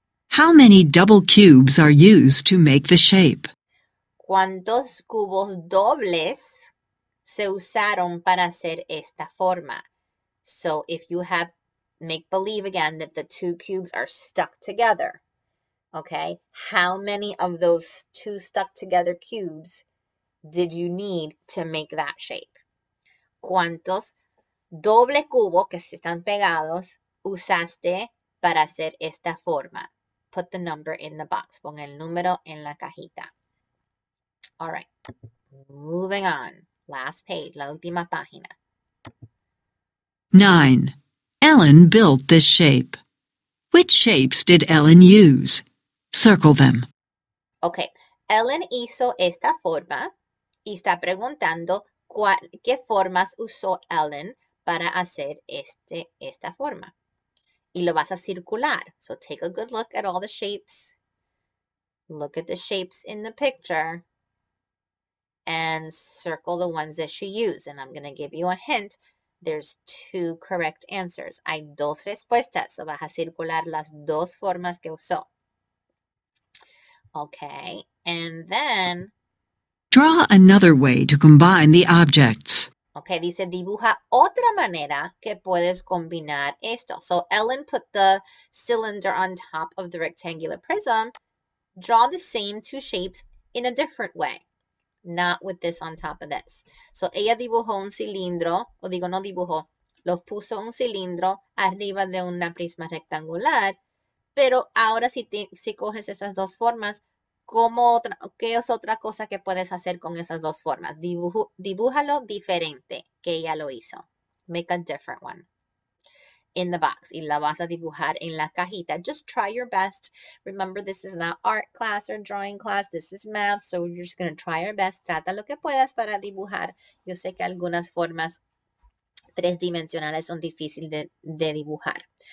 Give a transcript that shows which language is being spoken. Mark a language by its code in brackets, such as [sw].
[en] How many double cubes are used to make the shape? [es] ¿Cuántos cubos dobles se usaron para hacer esta forma? [en] So if you have, make believe again that the two cubes are stuck together. Okay, how many of those two stuck together cubes did you need to make that shape? [es] ¿Cuántos doble cubos que están pegados usaste para hacer esta forma? [en] Put the number in the box. [es] Pon el número en la cajita. [en] All right, moving on. Last page, [es] la última página. [en] 9. Ellen built this shape. Which shapes did Ellen use? Circle them. [es] Okay, Ellen hizo esta forma y está preguntando qué formas usó Ellen para hacer esta forma. Y lo vas a circular. [en] So take a good look at all the shapes. Look at the shapes in the picture and circle the ones that she used. And I'm going to give you a hint. There's two correct answers. [es] Hay dos respuestas. So vas a circular las dos formas que usó. [en] Okay, and then... Draw another way to combine the objects. [es] Okay, dice dibuja otra manera que puedes combinar esto. [en] So Ellen put the cylinder on top of the rectangular prism. Draw the same two shapes in a different way. Not with this on top of this. [es] So ella dibujó un cilindro, o digo no dibujó, lo puso un cilindro arriba de una prisma rectangular. Pero ahora si coges esas dos formas, ¿cómo otra, qué es otra cosa que puedes hacer con esas dos formas? Dibújalo diferente que ella lo hizo. [en] Make a different one. In the box. [es] Y la vas a dibujar en la cajita. [en] Just try your best. Remember, this is not art class or drawing class. This is math. So you're just going to try your best. [es] Trata lo que puedas para dibujar. Yo sé que algunas formas tres dimensionales son difíciles de dibujar.